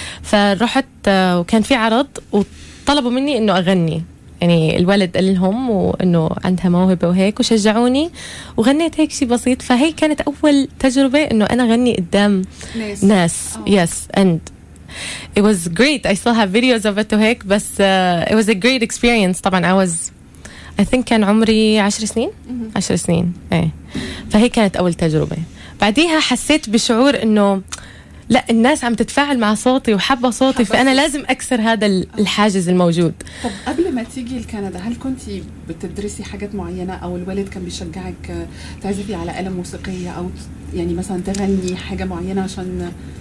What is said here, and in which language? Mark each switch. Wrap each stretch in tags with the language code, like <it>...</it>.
<ar>فرحت وكان في عرض وطلبوا مني انه اغني يعني الولد قال لهم وانه عندها موهبة وهيك وشجعوني وغنيت هيك شي بسيط. فهي كانت اول تجربة انه انا اغني قدام ناس.</ar> <en>Yes and it was great. I still have videos of it</en> <ar>وهيك بس</ar> <en>it was a great experience.</en> <ar>طبعا</ar> <en>I think</en> <ar>كان عمري 10 سنين ايه. فهي كانت اول تجربة. بعديها حسيت بشعور انه لا الناس عم تتفاعل مع صوتي وحابه صوتي فانا لازم اكسر هذا الحاجز الموجود. طب قبل ما تيجي لكندا هل كنت بتدرسي حاجات معينه او الوالد كان بيشجعك تعزفي على آلة موسيقيه او يعني مثلا تغني حاجه معينه عشان</ar>